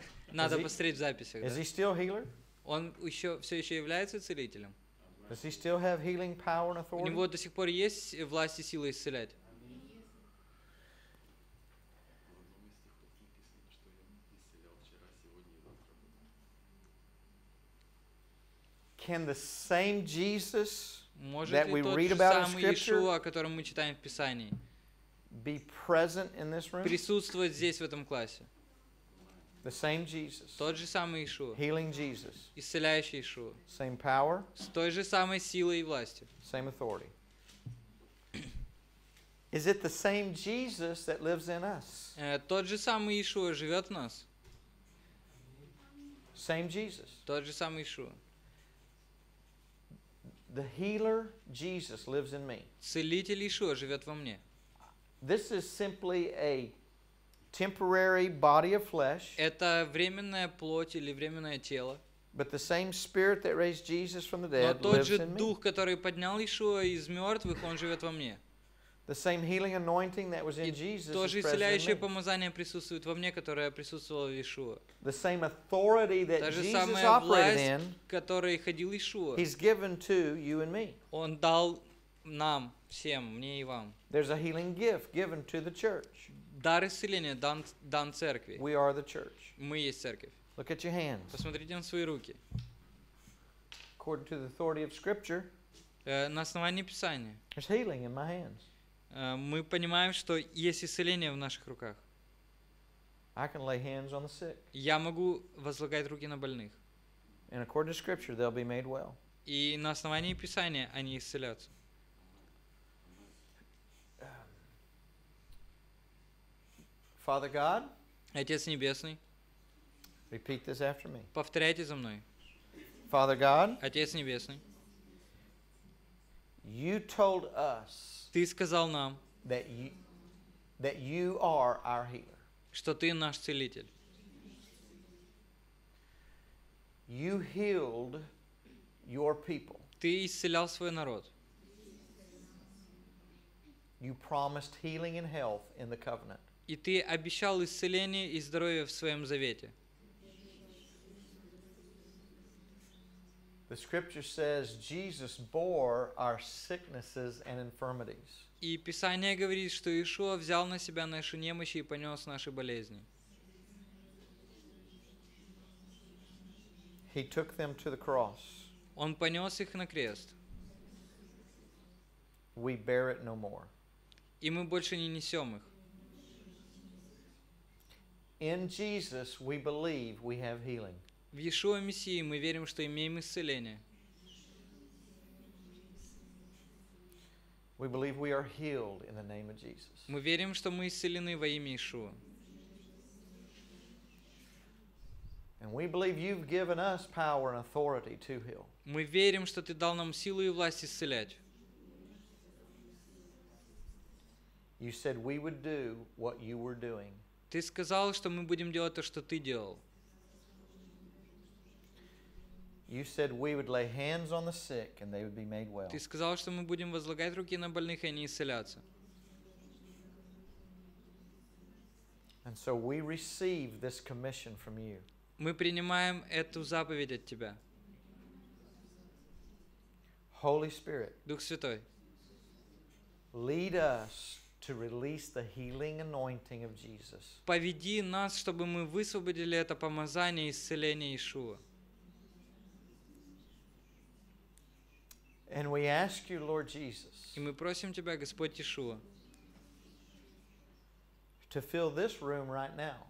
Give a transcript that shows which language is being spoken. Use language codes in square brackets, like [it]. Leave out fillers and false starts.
[ru] Надо посмотреть в записях. [en] Is he still healer? [ru] Он еще все еще является целителем. [en] Does he still have healing power and authority? [ru] У него до сих пор есть власть и сила исцелять. [en] Can the same Jesus that we read about in Scripture? [ru] Может ли тот же самый Иешуа, о котором мы читаем в Писании? [en] Be present in this room. [ru] Присутствовать здесь в этом классе. [en] The same Jesus. [ru] Тот же самый Иешуа. [en] Healing Jesus. [ru] Исцеляющий Иешуа. [en] Same power. [ru] С той же самой силой и властью. [en] Same authority. Is it the same Jesus that lives in us? [ru] Тот же самый Иешуа живет в нас. [en] Same Jesus. [ru] Тот же самый Иешуа. [en] The healer Jesus lives in me. [ru] Целитель Иешуа живет во мне. [en] This is simply a temporary body of flesh. [ru] Это временная плоть или временное тело. [en] But the same spirit that raised Jesus from the dead lives in me. [ru] Но тот же дух, который поднял Иешуа из мертвых, он живет во мне. [en] The same healing anointing that was in Jesus. [ru] То же исцеляющее помазание присутствует во мне, которое присутствовало в Иешуа. [en] The same authority that Jesus operated in. [ru] Которой ходил Иешуа. [en] He's given to you and me. [ru] Он дал нам всем, мне и вам. [en] There's a healing gift given to the church. [ru] Дар исцеления дан церкви. [en] We are the church. [ru] Мы есть церковь. [en] Look at your hands. [ru] Посмотрите на свои руки. [en] According to the authority of Scripture. [ru] На основании Писания. [en] There's healing in my hands. [ru] Мы понимаем, что есть исцеление в наших руках. [en] I can lay hands on the sick. [ru] Я могу возлагать руки на больных. [en] And according to Scripture, they'll be made well. [ru] И на основании Писания они исцелятся. [en] Father God, [ru] Отец Небесный, [en] repeat this after me. [ru] Повторяйте за мной. [en] Father God, [ru] Отец Небесный, [en] you told us [ru] Ты сказал нам, [en] that you are our healer. [ru] Что Ты наш целитель. [en] You healed your people. [ru] Ты исцелял свой народ. [en] You promised healing and health in the covenant. [ru] И Ты обещал исцеление и здоровье в Своем Завете. [en] The scripture says Jesus bore our sicknesses and infirmities. [ru] И Писание говорит, что Иешуа взял на себя наши немощи и понес наши болезни. [en] He took them to the cross. [ru] Он понес их на крест. [en] We bear it no more. [ru] И мы больше не несем их. [en] In Jesus we believe we have healing. [ru] В Иешуа Мессии мы верим, что имеем исцеление. [en] We believe we are healed in the name of Jesus. [ru] Мы верим, что мы исцелены во имя Иешуа. [en] And we believe you've given us power and authority to heal. [ru] Мы верим, что Ты дал нам силу и власть исцелять. [en] You said we would do what you were doing. [ru] Ты сказал, что мы будем делать то, что Ты делал. [en] You said we would lay hands on the sick and they would be made well. [ru] Ты сказал, что мы будем возлагать руки на больных, и они исцелятся. [en] And so we receive this commission from you. [ru] Мы принимаем эту заповедь от Тебя. [en] Holy Spirit. [ru] Дух Святой. [en] Lead us to release the healing anointing of Jesus. [ru] Поведи нас, чтобы мы высвободили это помазание и исцеление Иешуа. [en] And we ask you, Lord Jesus, [ru] и мы просим Тебя, Господь Иешуа, [en] to fill this room right now,